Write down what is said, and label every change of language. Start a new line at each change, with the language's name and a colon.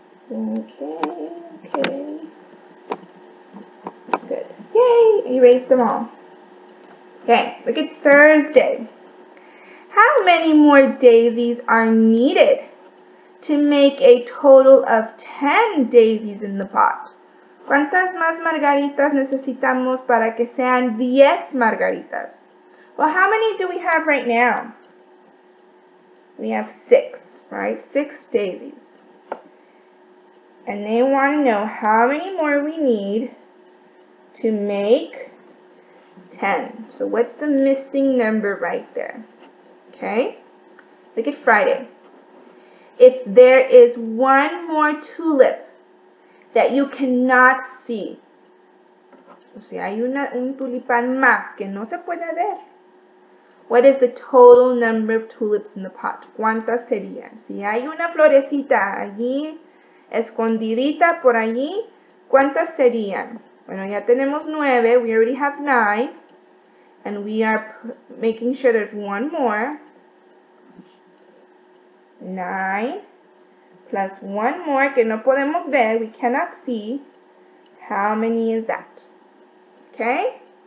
English: Okay. Good. Yay! Erase them all. Okay, look at Thursday. How many more daisies are needed to make a total of 10 daisies in the pot?
Spanish: ¿Cuántas más margaritas necesitamos para que sean 10 margaritas?
English: Well, how many do we have right now? We have 6, right? 6 daisies. And they want to know how many more we need to make 10. So what's the missing number right there? Okay? Look at Friday. If there is one more tulip that you cannot see.
Spanish: O sea, hay un tulipán más que no se puede ver.
English: What is the total number of tulips in the pot?
Spanish: ¿Cuántas serían? Si hay una florecita allí, escondidita por allí, ¿cuántas serían? Bueno, ya tenemos 9.
English: We already have 9. And we are making sure there's one more. 9 plus 1 more
Spanish: que no podemos ver.
English: We cannot see. How many is that? Okay?